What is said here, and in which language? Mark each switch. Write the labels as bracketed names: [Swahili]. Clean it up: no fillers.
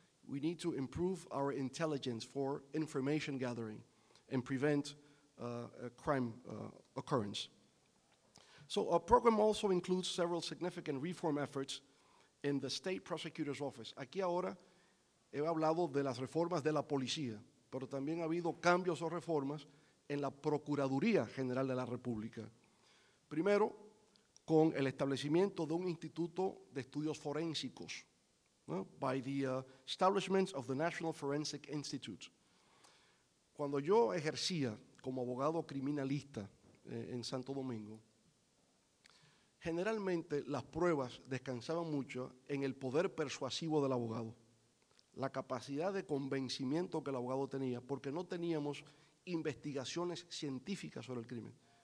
[English] We need to improve our intelligence for information gathering and prevent crime occurrence. So our program also includes several significant reform efforts in the state prosecutor's office. [Spanish] Aquí ahora he hablado de las reformas de la policía, pero también ha habido cambios o reformas en la Procuraduría General de la República. Primero, con el establecimiento de un instituto de estudios forénsicos. [English] by the establishment of the National Forensic Institute. [Spanish] Cuando yo ejercía como abogado criminalista en Santo Domingo, generalmente las pruebas descansaban mucho en el poder persuasivo del abogado, la capacidad de convencimiento que el abogado tenía, porque no teníamos investigaciones científicas sobre el crimen.